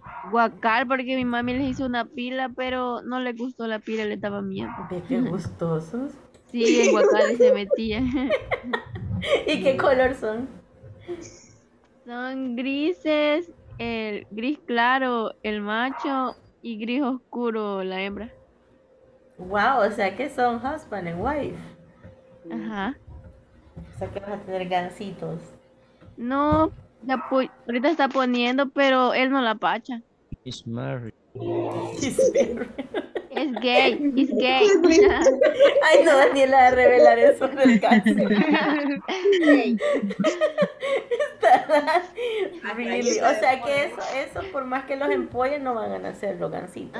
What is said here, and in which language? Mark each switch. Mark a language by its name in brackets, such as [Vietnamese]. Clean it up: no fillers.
[Spanish] Guacal, porque mi mami les hizo una pila, pero no le gustó la pila, le daba miedo. ¿De qué gustosos? Sí, en guacal se metía. ¿Y qué color son? Son grises, el gris claro, el macho, y gris oscuro, la hembra. Wow, o sea que son [English] husband and wife. [Spanish] Ajá. O sea que vas a tener gansitos. No, ahorita está poniendo, pero él no la pacha. [English] He's married. He's married. [Spanish] Es gay, [English] he's gay. [Spanish] Ay, no, Daniela, de revelar eso en el caso. O sea que eso, por más que los empollen, no van a nacer los gancitos.